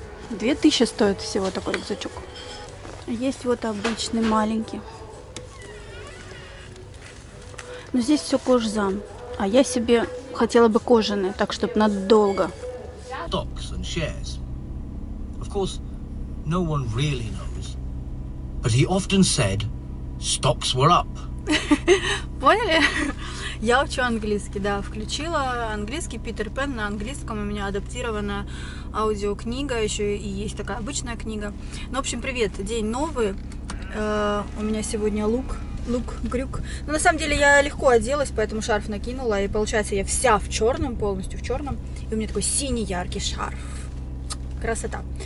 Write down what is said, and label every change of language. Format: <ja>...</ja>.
<ru>2000 стоит всего такой рюкзачок. Есть вот обычный маленький. Но здесь все кожзам. А я себе хотела бы кожаный, так чтобы надолго.</ru> <en>Stocks and shares. Of course, no one really knows. But he often said stocks were up.</en> <ru>Поняли? Я учу английский, да, включила английский, Питер Пен на английском, у меня адаптирована аудиокнига, еще и есть такая обычная книга. Ну, в общем, привет, день новый, у меня сегодня лук-грюк. Ну, на самом деле, я легко оделась, поэтому шарф накинула, и получается, я вся в черном, полностью в черном, и у меня такой синий яркий шарф. Красота.</ru>